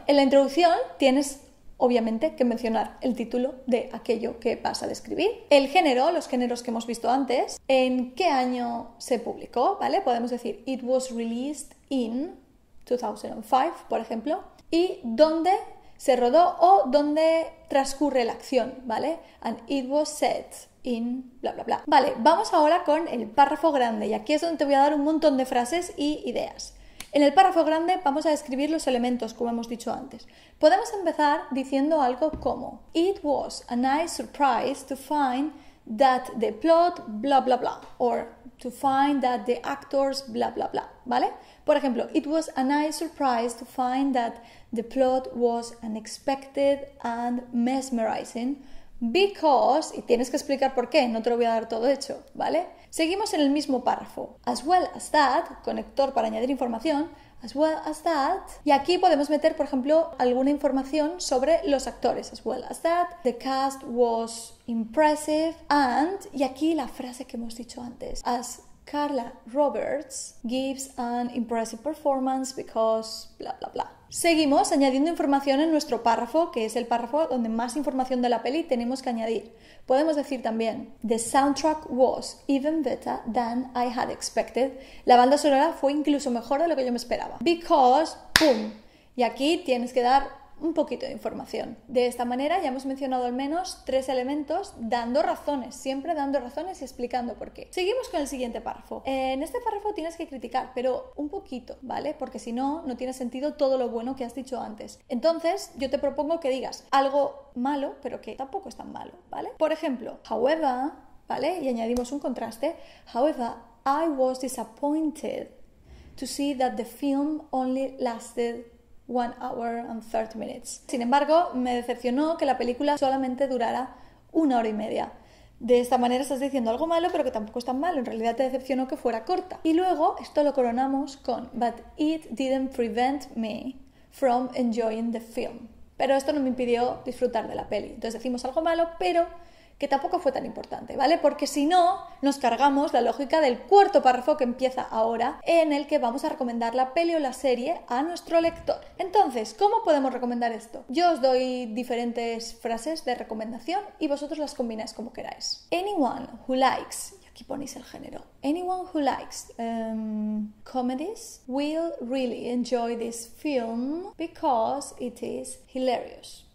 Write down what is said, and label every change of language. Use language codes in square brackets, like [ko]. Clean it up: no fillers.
[es] En la introducción tienes, obviamente, que mencionar el título de aquello que vas a describir. El género, los géneros que hemos visto antes. ¿En qué año se publicó? ¿Vale? Podemos decir, [en] it was released in 2005, [es] por ejemplo. Y dónde se rodó o dónde transcurre la acción, ¿vale? [en] And it was set in bla bla bla. [es] Vale, vamos ahora con el párrafo grande y aquí es donde te voy a dar un montón de frases y ideas. En el párrafo grande vamos a describir los elementos, como hemos dicho antes. Podemos empezar diciendo algo como [en] it was a nice surprise to find that the plot bla bla bla, or to find that the actors bla bla bla, [es] ¿vale? Por ejemplo, [en] it was a nice surprise to find that the plot was unexpected and mesmerizing because, [es] y tienes que explicar por qué, no te lo voy a dar todo hecho, ¿vale? Seguimos en el mismo párrafo. [en] As well as that, [es] conector para añadir información, [en] as well as that, [es] y aquí podemos meter, por ejemplo, alguna información sobre los actores. [en] As well as that, the cast was impressive and, [es] y aquí la frase que hemos dicho antes, [en] as Carla Roberts gives an impressive performance because bla bla bla. [es] Seguimos añadiendo información en nuestro párrafo, que es el párrafo donde más información de la peli tenemos que añadir. Podemos decir también, [en] the soundtrack was even better than I had expected. [es] La banda sonora fue incluso mejor de lo que yo me esperaba. [en] Because, boom, [es] y aquí tienes que dar un poquito de información. De esta manera ya hemos mencionado al menos 3 elementos dando razones, siempre dando razones y explicando por qué. Seguimos con el siguiente párrafo. En este párrafo tienes que criticar, pero un poquito, ¿vale? Porque si no, no tiene sentido todo lo bueno que has dicho antes. Entonces, yo te propongo que digas algo malo, pero que tampoco es tan malo, ¿vale? Por ejemplo, however, ¿vale? Y añadimos un contraste. [en] However, I was disappointed to see that the film only lasted 1 hour and 30 minutes. [es] Sin embargo, me decepcionó que la película solamente durara 1 hora y media. De esta manera estás diciendo algo malo, pero que tampoco es tan malo. En realidad te decepcionó que fuera corta. Y luego, esto lo coronamos con [en] but it didn't prevent me from enjoying the film. [es] Pero esto no me impidió disfrutar de la peli. Entonces decimos algo malo, pero que tampoco fue tan importante, ¿vale? Porque si no, nos cargamos la lógica del cuarto párrafo que empieza ahora, en el que vamos a recomendar la peli o la serie a nuestro lector. Entonces, ¿cómo podemos recomendar esto? Yo os doy diferentes frases de recomendación y vosotros las combináis como queráis. [en] Anyone who likes, [es] y aquí ponéis el género, [en] anyone who likes comedies will really enjoy this film because it is hilarious.